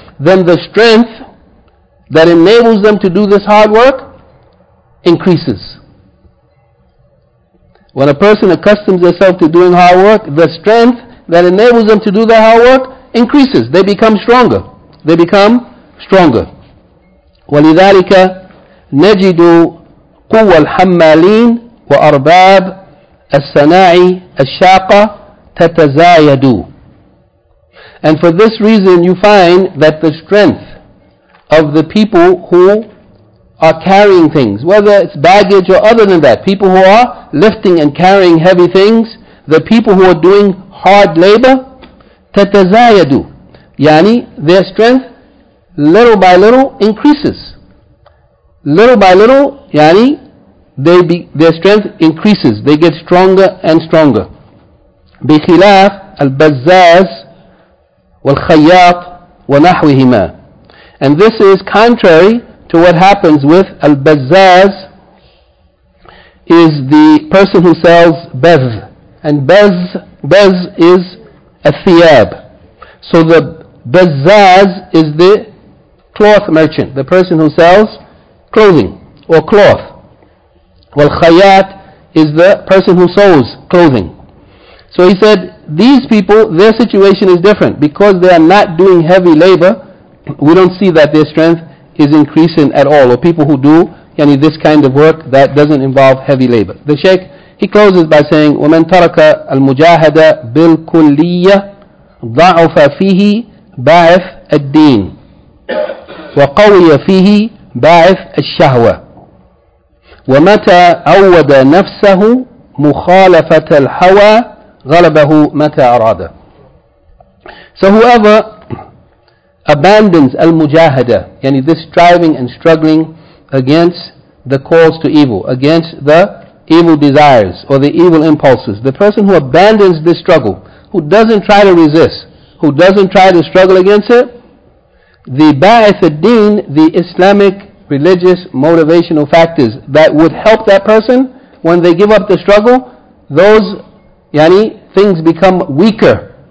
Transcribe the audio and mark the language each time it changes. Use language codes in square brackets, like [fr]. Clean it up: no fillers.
[en] Then the strength that enables them to do this hard work increases. When a person accustoms himself to doing hard work, the strength that enables them to do the hard work increases. They become stronger. They become stronger. [ar] ولذلك نجد قوة الحمالين وأرباب الصناعي الشاقة تتزايد. [en] And for this reason you find that the strength of the people who are carrying things, whether it's baggage or other than that, people who are lifting and carrying heavy things, the people who are doing hard labor, تتزايد. يعني their strength little by little increases. Little by little, yani, their strength increases. They get stronger and stronger. [ar] بخلاف البزاز والخياط ونحوهما. [en] And this is contrary to what happens with البزاز, is the person who sells bez. And bez is a thiab. So the bezaz is the cloth merchant, the person who sells clothing or cloth. Well, khayat is the person who sews clothing. So he said, these people, their situation is different. Because they are not doing heavy labor, we don't see that their strength is increasing at all. Or people who do any this kind of work that doesn't involve heavy labor. The Shaykh He closes by saying, [ar] وَمَنْ تَرَكَ الْمُجَاهَدَ بِالْكُلِّيَّةِ ضَعُفَ فِيهِ بَعْثَ الدِّينِ وَقَوِيَ فِيهِ بَعْثَ الشَّهْوَةِ وَمَتَى عَوَّدَ نَفْسَهُ مُخَالَفَةَ الْحَوَى غَلَبَهُ مَتَى أَرَادَ. [en] So whoever abandons al-mujahada, yani this striving and struggling against the calls to evil, against the evil desires or the evil impulses, the person who abandons this struggle, who doesn't try to resist, who doesn't try to struggle against it, the ba'ath ad-deen, the Islamic religious motivational factors that would help that person when they give up the struggle, those yani things become weaker.